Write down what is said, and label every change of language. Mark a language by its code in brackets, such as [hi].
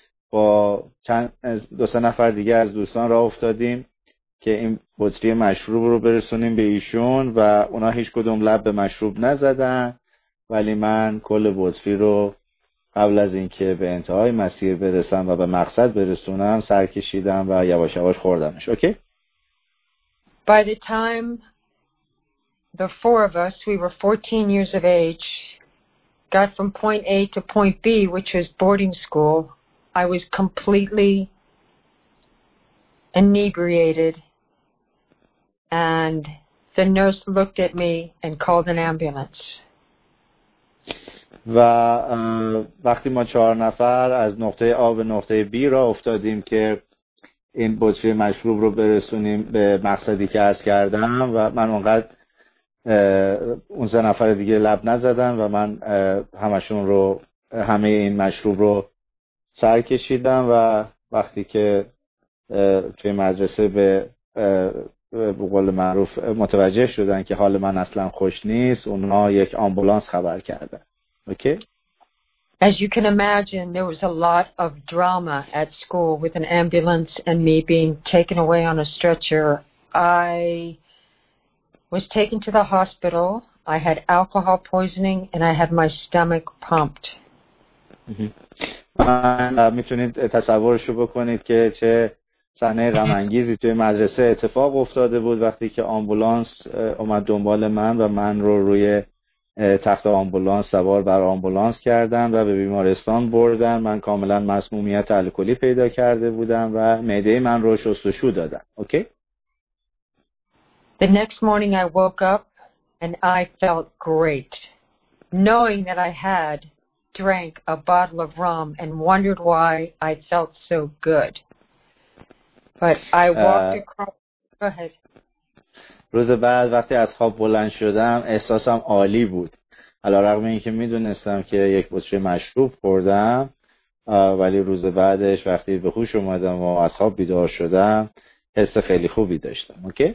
[fa] با چند دو سه نفر دیگه از دوستان راه افتادیم که این بطری مشروب رو برسونیم به ایشون و اونا هیچ کدوم لب به مشروب نزدن، ولی من کل بطری رو قبل از اینکه به انتهای مسیر برسم و به مقصد برسونم سر کشیدم و یواش یواش خوردمش. اوکی؟ [en] By the time the four of us, we were 14 years of age, got from point A to point B, which was boarding school. I was completely inebriated, and the nurse looked at me and called an ambulance. [fa] و وقتی ما چهار نفر از نقطه A به نقطه B را افتادیم که این بطری مشروب رو برسونیم به مقصدی که عرض کردم و من اونقدر اون سه نفر دیگه لب نزدن و من همشون رو همه این مشروب رو سر کشیدم و وقتی که توی مدرسه به قول معروف متوجه شدن که حال من اصلا خوش نیست اونا یک آمبولانس خبر کردن. Okay. [en] As you can imagine, there was a lot of drama at school with an ambulance and me being taken away on a stretcher. I was taken to the hospital. I had alcohol poisoning and I had my stomach pumped. [fa] میتونید تصورشو بکنید که چه صحنه غم انگیزی توی مدرسه اتفاق افتاده بود وقتی که آمبولانس اومد دنبال من و من رو روی تخت آمبولانس سوار بر آمبولانس کردن و به بیمارستان بردن. من کاملا مسمومیت الکلی پیدا کرده بودم و معده من رو شستشو دادن. اوکی؟ [en] The next morning I woke up and I felt great, knowing that I had drank a bottle of rum and wondered why I felt so good. But I walked across... Go ahead. [fa] روز بعد وقتی از خواب بلند شدم احساسم عالی بود. علی‌رغم اینکه میدونستم که یک بطری مشروب خوردم ولی روز بعدش وقتی به هوش اومدم و از خواب بیدار شدم حس خیلی خوبی داشتم.